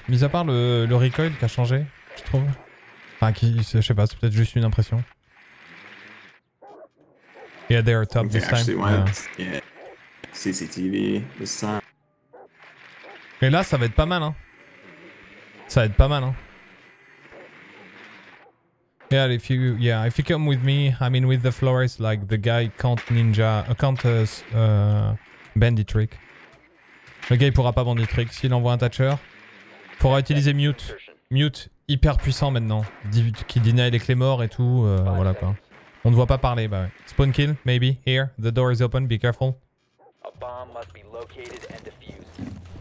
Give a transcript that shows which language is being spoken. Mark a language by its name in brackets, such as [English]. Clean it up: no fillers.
[French] Mis à part le recoil qui a changé, je trouve. Enfin, je sais pas, c'est peut-être juste une impression. [English] Yeah, they are top this time. CCTV, this time. [French] Et là, ça va être pas mal, hein. Ça va être pas mal, hein. [English] Yeah, if you come with me, I mean with the floors, like the guy can't ninja, can't bandit trick. [French] Le gars il pourra pas bandit trick, s'il envoie un toucher, pourra utiliser mute. Mute hyper puissant maintenant, qui deny les claymores et tout, voilà quoi. On ne voit pas parler, bah ouais. [English] Spawn kill, maybe, here, the door is open, be careful. A bomb must be located and defused.